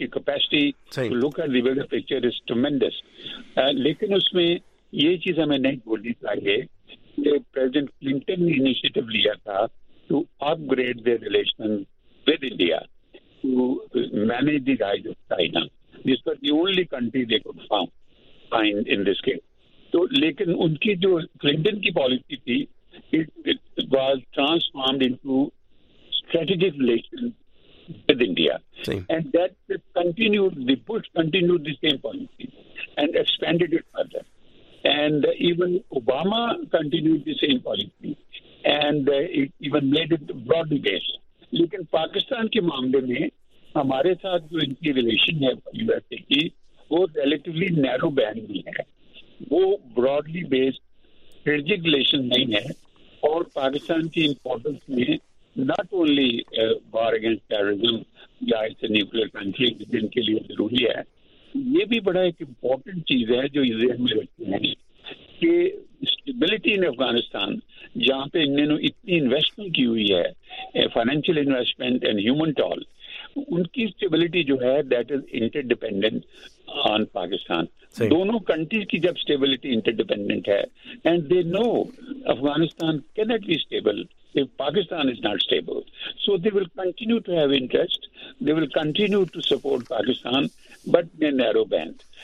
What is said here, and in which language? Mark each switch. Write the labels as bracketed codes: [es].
[ur] ان کی [en] Capacity to look at the bigger picture is tremendous. [ur] لیکن اس میں یہ چیز ہمیں نہیں بولنی چاہیے کہ پریزیڈنٹ کلنٹن نے انیشیٹو لیا تھا [en] To upgrade their relation with India to manage the rise of China. This was the only country they could find in this case. [ur] تو لیکن ان کی جو کلنٹن کی پالیسی تھی, [en] It was transformed into strategic relation with India. Same. And that continued, the Bush continued the same policy and expanded it further. And even Obama continued the same policy and it even made it broadly based. [ur] لیکن پاکستان کے معاملے میں ہمارے ساتھ جو ان کی relation ہے U S A کی, وہ [en] relatively narrow band [ur] نہیں ہے, وہ [en] broadly based strategic relation [ur] نہیں ہے. اور پاکستان کی امپورٹنس میں [en] not only war against terrorism, yeah, it's a nuclear country, [ur] جن کے لیے ضروری ہے, یہ بھی بڑا ایک امپورٹنٹ چیز ہے جو ذہن میں رکھتے ہیں کہ [en] stability in Afghanistan, [ur] جہاں پہ انہوں نے اتنی انویسٹمنٹ کی ہوئی ہے, [en] financial investment and human toll, [ur] ان کی اسٹیبلٹی جو ہے [en] That is interdependent on Pakistan. [ur] دونوں کنٹریز کی جب اسٹیبلٹی انٹر ڈیپینڈنٹ ہے, [en] And they know Afghanistan can't be stable if Pakistan is not stable. So they will continue to have interest, they will continue to support Pakistan, but in a narrow band.